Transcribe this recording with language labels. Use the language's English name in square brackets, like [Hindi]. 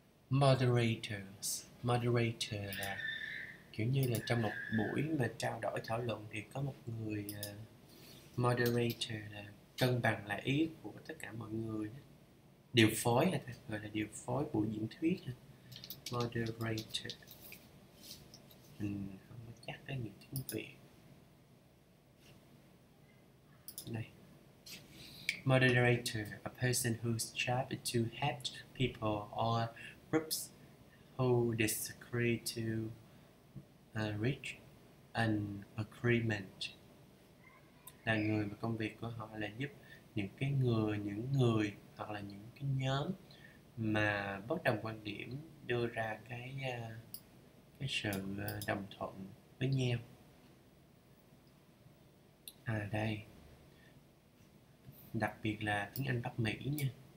[Vietnamese] Moderator là kiểu như là trong một buổi mà trao đổi thảo luận thì có một người moderator là cân bằng lại ý của tất cả mọi người, điều phối, là gọi là điều phối buổi diễn thuyết. Moderator, mình không có chắc cái người tiếng Việt. Này. [English] Moderator, a person whose job is to help people or groups who disagree to reach an agreement. [Vietnamese] Là người mà công việc của họ là giúp những người hoặc là những cái nhóm mà bất đồng quan điểm đưa ra cái sự đồng thuận với nhau. À đây. Đặc biệt là tiếng Anh Bắc Mỹ nha.